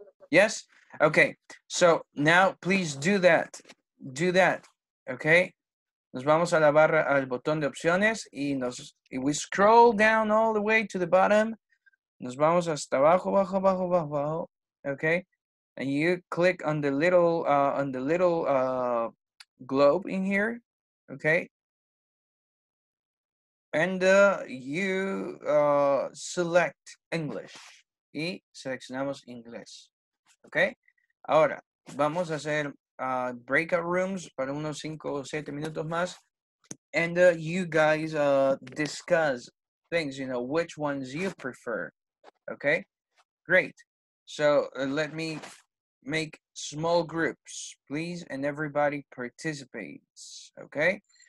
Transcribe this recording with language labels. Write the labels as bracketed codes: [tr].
[en] Yes? Okay. So now please do that. Do that. Okay? [es] Nos vamos a la barra, al botón de opciones, y nos, we scroll down all the way to the bottom. Nos vamos hasta abajo, abajo, abajo, abajo, abajo. [en] Okay? And you click on the little globe in here. Okay? And you select English. [es] Y seleccionamos inglés. Okay? Ahora, vamos a hacer breakout rooms para unos 5 o 7 minutos más. [en] And you guys discuss things, you know, which ones you prefer. Okay? Great. So let me make small groups, please. And everybody participates. Okay?